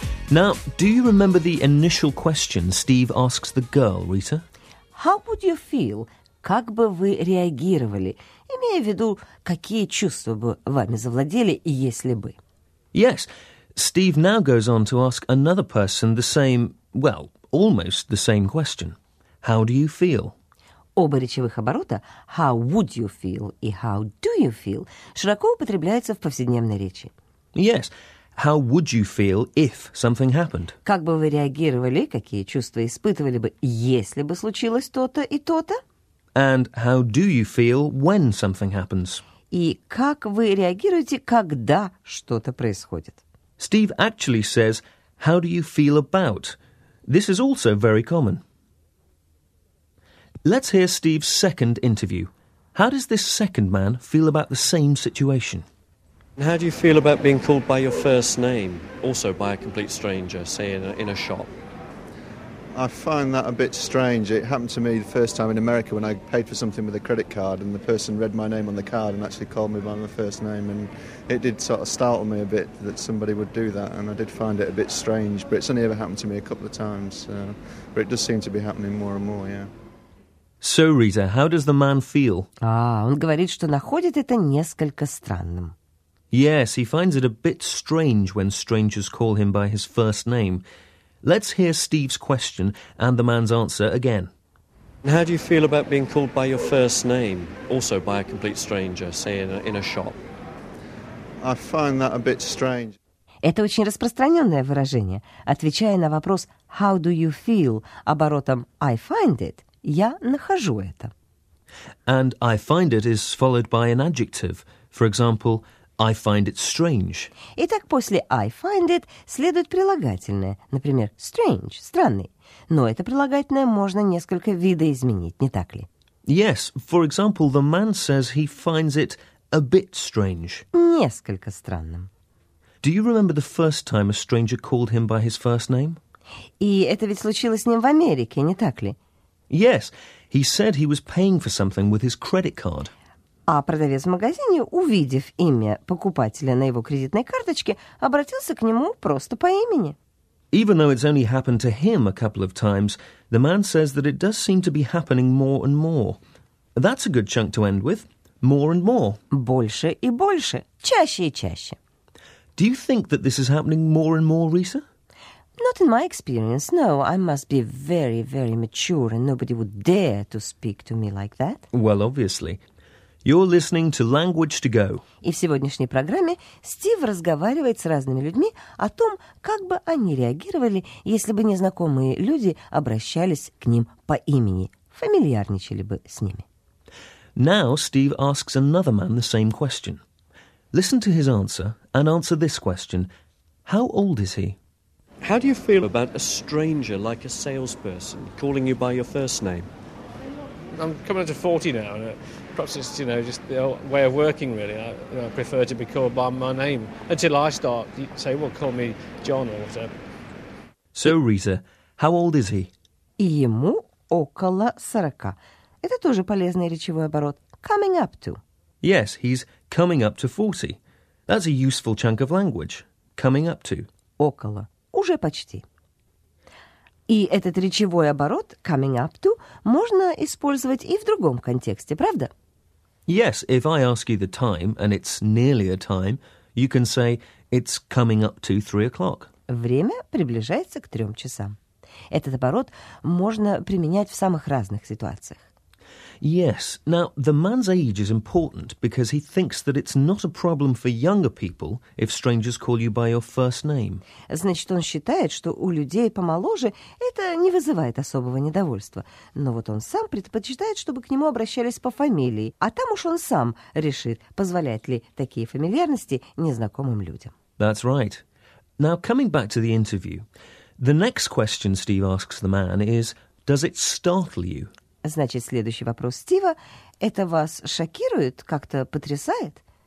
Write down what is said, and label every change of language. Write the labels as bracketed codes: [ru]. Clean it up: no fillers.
[en] Now, do you remember the initial question Steve asks the girl, Rita? How would you feel? [ru] Как бы вы реагировали? Имея в виду, какие чувства бы вами завладели, если бы? [en] Yes. Steve now goes on to ask another person the same, well, almost the same question. How do you feel? [ru] Оба речевых оборота [en] «how would you feel» [ru] и [en] «how do you feel» [ru] широко употребляются в повседневной речи. [en] Yes. How would you feel if something happened? [ru] Как бы вы реагировали, какие чувства испытывали бы, если бы случилось то-то и то-то? [en] And how do you feel when something happens? [ru] И как вы реагируете, когда что-то происходит? [en] Steve actually says «how do you feel about?» This is also very common. Let's hear Steve's second interview. How does this second man feel about the same situation? How do you feel about being called by your first name, also by a complete stranger, say in a shop? I find that a bit strange. It happened to me the first time in America when I paid for something with a credit card and the person read my name on the card and actually called me by my first name. And it did sort of startle me a bit that somebody would do that. And I did find it a bit strange, but it's only ever happened to me a couple of times. But it does seem to be happening more and more, yeah. So, Rita, how does the man feel? [ru] Он говорит, что находит это несколько странным. [en] Yes, he finds it a bit strange when strangers call him by his first name. Let's hear Steve's question and the man's answer again. How do you feel about being called by your first name, also by a complete stranger, say in a shop? I find that a bit strange. [ru] Это очень распространенное выражение. Отвечая на вопрос [en] «how do you feel» [ru] оборотом [en] «I find it», [ru] я нахожу это. [en] And I find it is followed by an adjective. For example, I find it strange. [ru] Итак, после [en] I find it [ru] следует прилагательное. Например, strange, странный. Но это прилагательное можно несколько видоизменить, не так ли? [en] Yes, for example, the man says he finds it a bit strange. [ru] Несколько странным. [en] Do you remember the first time a stranger called him by his first name? [ru] И это ведь случилось с ним в Америке, не так ли? [en] Yes, he said he was paying for something with his credit card. [ru] А продавец в магазине, увидев имя покупателя на его кредитной карточке, обратился к нему просто по имени. [en] Even though it's only happened to him a couple of times, the man says that it does seem to be happening more and more. That's a good chunk to end with. More and more. [ru] Больше и больше. Чаще и чаще. [en] Do you think that this is happening more and more, Risa? Not in my experience, no. I must be very, very mature and nobody would dare to speak to me like that. Well, obviously. You're listening to Language to Go. [ru] И в сегодняшней программе Стив разговаривает с разными людьми о том, как бы они реагировали, если бы незнакомые люди обращались к ним по имени, фамильярничали бы с ними. [en] Now Steve asks another man the same question. Listen to his answer and answer this question. How old is he? How do you feel about a stranger, like a salesperson, calling you by your first name? I'm coming into 40 now, and perhaps it's, you know, just the old way of working, really. I prefer to be called by my name until I start say, well, call me John or whatever. So, Risa, how old is he? [ru] Ему около 40. Это тоже полезный речевой оборот. [en] Coming up to. Yes, he's coming up to 40. That's a useful chunk of language. Coming up to. [ru] Около. Уже почти. И этот речевой оборот, [en] coming up to, [ru] можно использовать и в другом контексте, правда? [en] Yes, if I ask you the time, and it's nearly a time, you can say, it's coming up to 3 o'clock. [ru] Время приближается к 3 часам. Этот оборот можно применять в самых разных ситуациях. [en] Yes, now the man's age is important because he thinks that it's not a problem for younger people if strangers call you by your first name. [ru] Значит, он считает, что у людей помоложе это не вызывает особого недовольства. Но вот он сам предпочитает, чтобы к нему обращались по фамилии. А там уж он сам решит, позволять ли такие фамильярности незнакомым людям. [en] That's right. Now, coming back to the interview, the next question Steve asks the man is, does it startle you? [ru] Значит, следующий вопрос Стива – это вас шокирует, как-то потрясает?